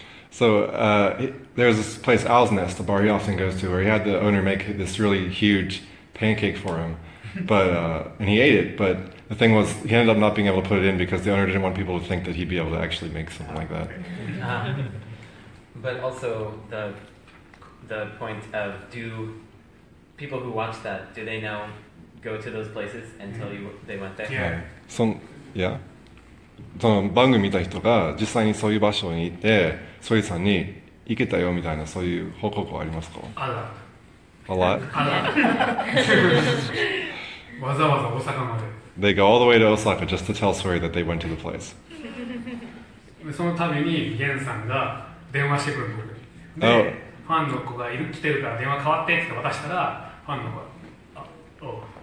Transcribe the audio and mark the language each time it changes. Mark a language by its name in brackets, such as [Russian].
[English] So, there's this place, Owl's Nest, a bar he often goes to, where he had the owner make this really huge pancake for him, and he ate it, but the thing was, he ended up not being able to put it in because the owner didn't want people to think that he'd be able to actually make something like that. But also, the point of, do people who watch that, do they now go to those places and tell you they went there? Yeah. [Japanese] その番組見た人が実際にそういう場所に行って、ソイさんに行けたよみたいなそういう報告はありますか？あら。わざわざ大阪まで。 [English] They go all the way to Osaka just to tell Sori that they went to the place. [Japanese] そのためにゲンさんが電話してくるの。で、ファンの子がいる来てるから電話変わってって渡したら、ファンの子が、